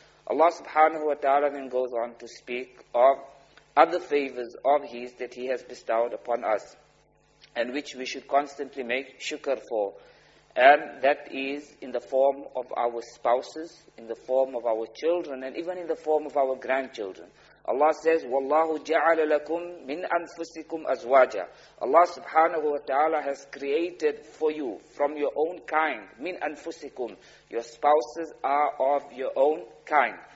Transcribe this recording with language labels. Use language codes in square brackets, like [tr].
[en] Allah subhanahu wa ta'ala then goes on to speak of other favors of His that He has bestowed upon us, and which we should constantly make shukr for. And that is in the form of our spouses, in the form of our children, and even in the form of our grandchildren. [ar] Allah says, وَاللَّهُ جَعَلَ لَكُم مِّنْ أَنفُسِكُمْ أَزْوَاجًا. [en] Allah subhanahu wa ta'ala has created for you from your own kind. [ar] مِّنْ أَنفُسِكُمْ. [en] Your spouses are of your own kind.